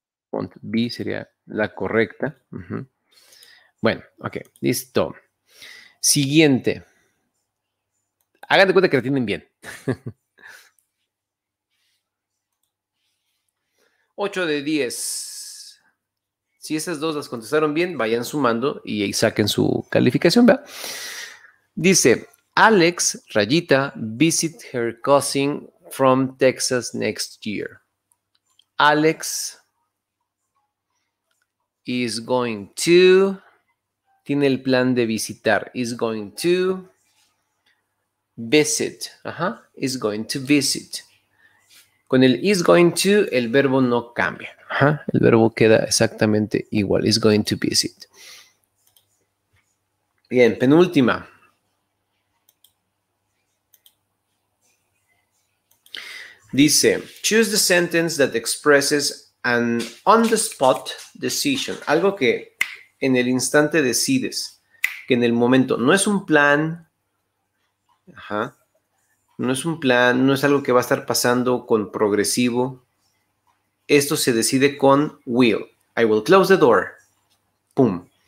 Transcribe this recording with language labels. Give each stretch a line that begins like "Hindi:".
English: Won't be
Spanish: sería la correcta. Uh-huh. Bueno, ok, listo. Siguiente. Hagan de cuenta que la tienen bien. 8 de 10. Si esas dos las contestaron bien, vayan sumando y saquen su calificación, ¿verdad? Dice, Alex, rayita,
English: visit her cousin from Texas next year. Alex is going to,
Spanish: tiene el plan de visitar,
English: is going to visit,
Spanish: ajá, is going to visit. Con el is going to, el verbo no cambia. Ajá, el verbo queda exactamente igual.
English: Is going to visit.
Spanish: Bien, penúltima. Dice,
English: choose the sentence that expresses an on-the-spot decision.
Spanish: Algo que en el instante decides. Que en el momento no es un plan. Ajá. No es un plan, no es algo que va a estar pasando con progresivo. Esto se decide con will.
English: I will close the door.
Spanish: Pum.